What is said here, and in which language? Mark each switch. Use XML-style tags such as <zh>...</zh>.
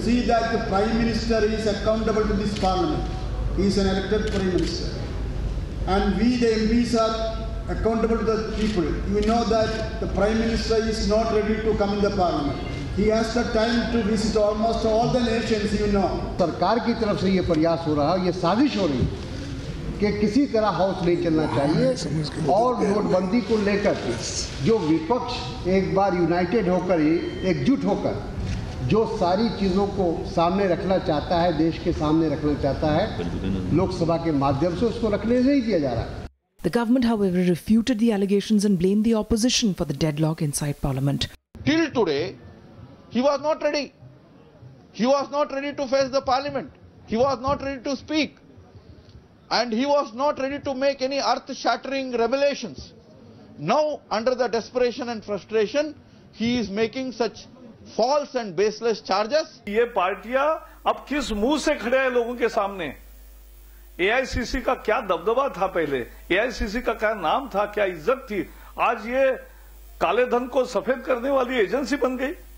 <en>See that the Prime Minister is accountable to this Parliament. He is an elected Prime Minister. And we, the MPs, are accountable to the people. We know that the Prime Minister is not ready to come in the Parliament. He has the time to visit almost all the nations, you know.</en> <hi>सरकार की तरफ से ये प्रयास हो रहा है, ये साजिश हो रही है कि किसी तरह हाउस नहीं चलना चाहिए और नोटबंदी को लेकर जो विपक्ष एक बार यूनाइटेड होकर एकजुट होकर जो सारी चीज़ों को सामने रखना चाहता है, देश के सामने रखना चाहता है, लोकसभा के माध्यम से उसको रखने से ही किया जा रहा है.</hi> <en>The government, however, refuted the allegations and blamed the opposition for the deadlock inside Parliament. Till today, he was not ready. He was not ready to face the Parliament. He was not ready to speak. And he was not ready to make any earth-shattering revelations. Now, under the desperation and frustration, he is making such false and baseless charges.</en> <hi>ये पार्टियां अब किस मुंह से खड़े हैं लोगों के सामने? एआईसीसी का क्या दबदबा था पहले? एआईसीसी का क्या नाम था? क्या इज्जत थी? आज ये काले धन को सफेद करने वाली एजेंसी बन गई?</hi>